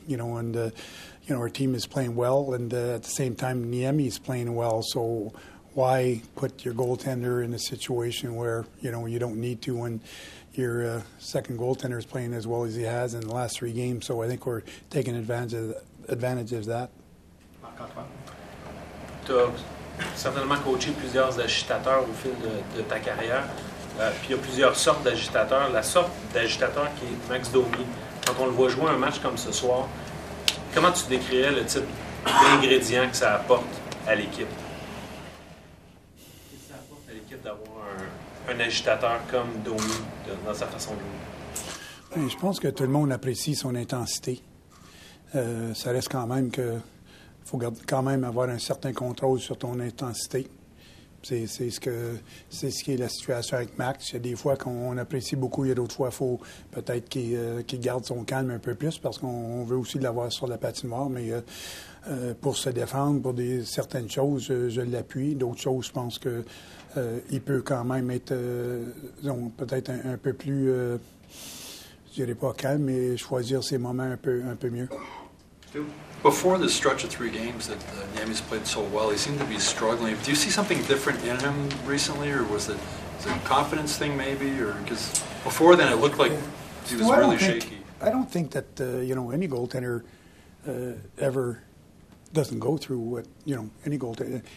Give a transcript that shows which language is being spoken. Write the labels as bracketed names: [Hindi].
[English] You know, and you know, our team is playing well, and at the same time, Niemi is playing well. So, why put your goaltender in a situation where you know you don't need to when your second goaltender is playing as well as he has in the last three games? So, I think we're taking advantage of that. [French] Marc-Antoine, tu as certainement coaché plusieurs agitateurs au fil de ta carrière. Puis il y a plusieurs sortes d'agitateurs. La sorte d'agitateur qui est Max Domi, quand on le voit jouer un match comme ce soir, comment tu décrirais le type d'ingrédients que ça apporte à l'équipe? Qu'est-ce que ça apporte à l'équipe d'avoir un agitateur comme Domi dans sa façon de jouer? Je pense que tout le monde apprécie son intensité. Ça reste quand même que faut quand même avoir un certain contrôle sur ton intensité. C'est ce qui est la situation avec Max. Il y a des fois qu'on apprécie beaucoup, il y a d'autres fois qu'il faut peut-être qu'il garde son calme un peu plus parce qu'on veut aussi l'avoir sur la patinoire. Mais pour se défendre, pour certaines choses, je l'appuie. D'autres choses, je pense qu'il peut quand même être peut-être un peu plus, je dirais pas calme, mais choisir ses moments un peu mieux. [English] Before the stretch of three games that Niemi's played so well, he seemed to be struggling. Do you see something different in him recently, or was it a confidence thing maybe? Or because before then it looked like he was really shaky. I don't think that any goaltender ever doesn't go through what any goaltender.